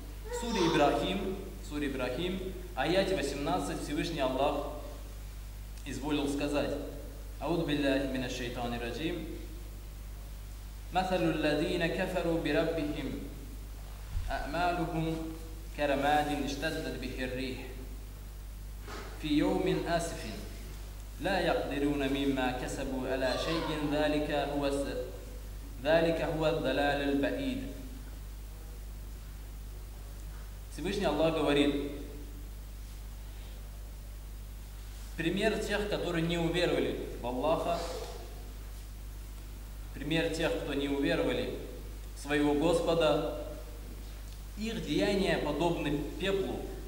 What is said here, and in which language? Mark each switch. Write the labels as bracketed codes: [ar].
[ru] В суре Ибрахим, аяте 18, Всевышний Аллах изволил сказать: [ar] «Ауду биллахи мина шайтани раджим, мэталю ладзина кафару би раббихим, а'малухум карамадин иштаддат бихи ррих, фи йоумин асифин». لا يقدرون مما كسبوا على شيء ذلك هو الضلال البعيد. [ru] Всевышний Аллах говорит: пример тех, которые не уверовали в Аллаха, пример тех, кто не уверовали в своего Господа, их деяния подобны пеплу.